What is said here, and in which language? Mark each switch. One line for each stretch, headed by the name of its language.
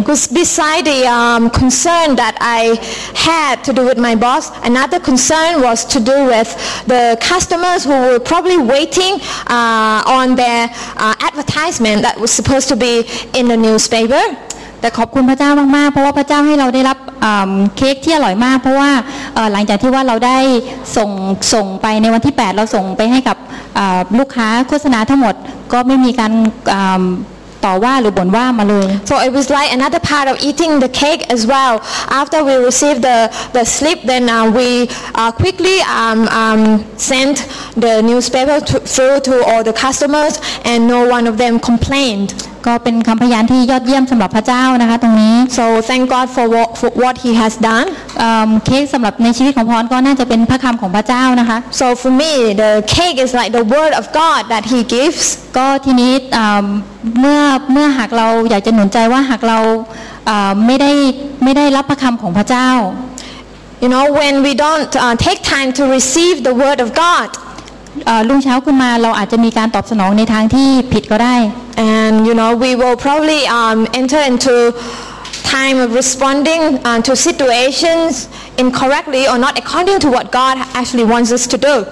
English: Besides the concern that I had to do with my boss another concern was to do with the customers who were probably waiting on their advertisement that was supposed to be in the newspaper
Thai: แต่ขอบคุณพระเจ้ามากๆเพราะว่าพระเจ้าให้เราได้รับเค้กที่อร่อยมากเพราะว่าหลังจากที่ว่าเราได้ส่งไปในวันที่8เราส่งไปให้กับลูกค้าโฆษณาทั้งหมดก็ไม่มีการต่อว่าหรือบ่นว่ามาเลย
English: So it was like another part of eating the cake as well after we received the slip then we quickly sent the newspaper through to all the customers and no one of them complained
Thai: ก็เป็นคำพยานที่ยอดเยี่ยมสำหรับพระเจ้านะคะตรงนี้
English: So thank God for what he has done
Thai: เค้กสำหรับในชีวิตของพรก็น่าจะเป็นพระคำของพระเจ้านะคะ
English: So for me the cake is like the word of God that he gives
Thai: ก็ทีนี้เมื่อหากเราอยากจะหนุนใจว่าหากเราไม่ได้รับพระคำของพระเจ้า
English: You know when we don't take time to receive the word of God
Thai: รุ่งเช้าขึ้นมาเราอาจจะมีการตอบสนองในทางที่ผิดก็ได้
English: And you know we will probably enter into time of responding to situations incorrectly or not according to what God actually wants us to do